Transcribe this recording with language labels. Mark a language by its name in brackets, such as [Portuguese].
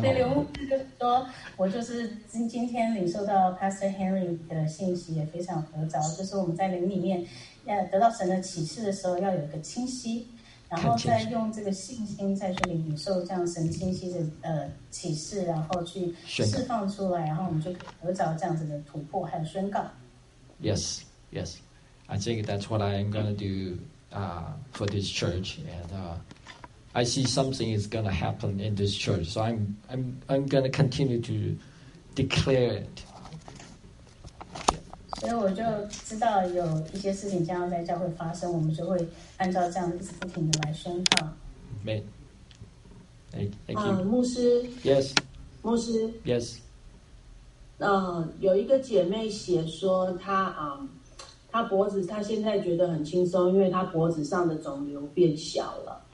[Chinese] 对，刘牧师就是说，我就是今天领受到 Pastor Henry 的信息也非常合着，就是我们在灵里面要得到神的启示的时候，要有一个清晰。然后再用这个信心再去领受这样神清晰的启示，然后去释放出来，然后我们就得着这样子的突破还有宣告。 [English] Yes, yes, I think that's what I'm gonna do for this church, and I see something is gonna happen in this church, so I'm gonna continue to declare it. [Chinese] 所以我就知道有一些事情将要在教会发生，我们就会。按照这样一直不停的来宣告。没。 [English] Thank you. [Chinese] 牧师。 [English] Yes. [Chinese] 牧师。 [English] Yes. [Chinese] 有一个姐妹写说她脖子，她现在觉得很轻松，因为她脖子上的肿瘤变小了。